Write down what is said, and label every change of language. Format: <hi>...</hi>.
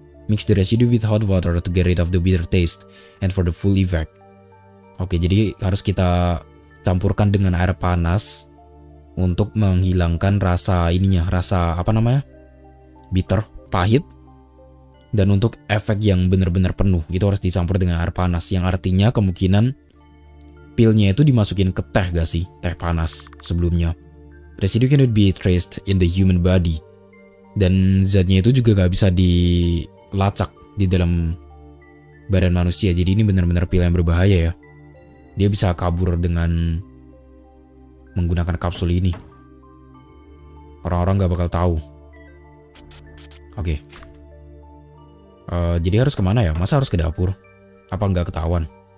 <en>Mix the residue with hot water to get rid of the bitter taste and for the full effect.</en> <id>Oke, jadi harus kita campurkan dengan air panas untuk menghilangkan rasa ininya, rasa apa namanya, bitter, pahit. Dan untuk efek yang benar-benar penuh, itu harus dicampur dengan air panas, yang artinya kemungkinan pilnya itu dimasukin ke teh gak sih, teh panas sebelumnya.</id> <en>Residue cannot be traced in the human body.</en> <id>Dan zatnya itu juga gak bisa dilacak di dalam badan manusia. Jadi ini benar-benar pil yang berbahaya ya. Dia bisa kabur dengan menggunakan kapsul ini. Orang-orang gak bakal tahu. Oke. Jadi harus kemana ya? Masa harus ke dapur? Apa gak ketahuan?</id>